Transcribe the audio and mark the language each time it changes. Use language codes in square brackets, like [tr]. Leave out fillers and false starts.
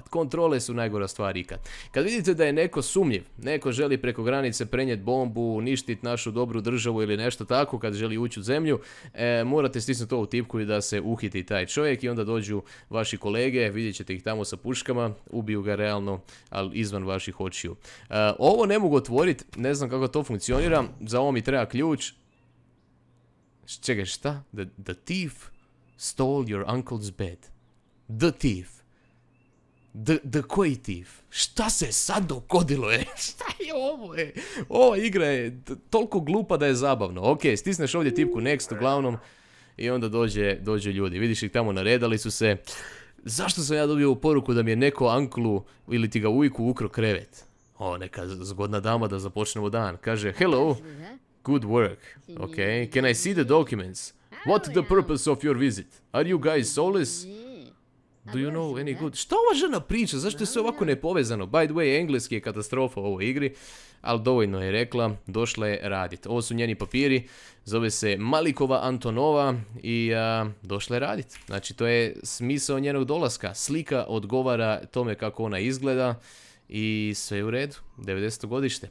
[hr] Kontrole su najgora stvar ikad. Kad vidite da je neko sumnjiv, neko želi preko granice prenijeti bombu, uništiti našu dobru državu ili nešto tako, kad želi ući u zemlju, morate stisnuti ovu tipku da se uhiti taj čovjek i onda dođu vaši kolege, vidjet ćete ih tamo sa puškama, ubiju ga realno, ali izvan vaših očiju. Ovo ne mogu otvoriti, ne znam kako to funkcionira, za ovo mi treba ključ. Čekaj, šta? [en] The thief stole your uncle's bed. The thief. The [hr] koji [en] thief? [hr] Šta se sad dogodilo, Šta je ovo, Ova igra je toliko glupa da je zabavno. Ok, stisneš ovdje tipku next uglavnom i onda dođe ljudi. Vidiš ih tamo, naredali su se. Zašto sam ja dobio poruku da mi je neko anklu ili ti ga ujku ukro krevet? O, neka zgodna dama da započnemo dan. Kaže, [en] hello, good work. Ok, can I see the documents? What the purpose of your visit? Are you guys soulless? Do you know any good? [hr] Šta ova žena priča? Zašto je sve ovako nepovezano? [en] By the way, [hr] engleski je katastrofa u ovoj igri, ali dovoljno je rekla, došla je raditi. Ovo su njeni papiri, zove se Malikova Antonova i došla je raditi. Znači, to je smisao njenog dolaska. Slika odgovara tome kako ona izgleda i sve je u redu. 90. godište.